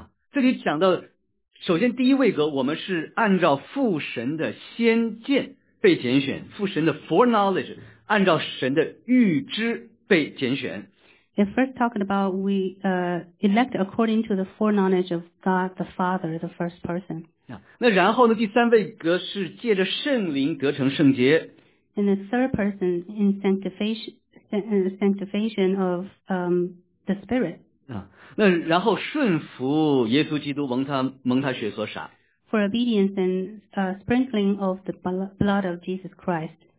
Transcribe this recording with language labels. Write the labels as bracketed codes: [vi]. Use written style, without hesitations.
[zh] 这里讲到，首先第一位格，我们是按照父神的先见被拣选，父神的 foreknowledge, 按照神的预知被拣选。 [en] It first talked about we elect according to the foreknowledge of God the Father, the first person. Yeah. [zh] 那然后呢第三位格是借着圣灵格成圣洁。 [en] And the third person in sanctification of the Spirit. [zh] 那然后顺服耶稣基督蒙他血所洒。 [en] For obedience and sprinkling of the blood of Jesus Christ.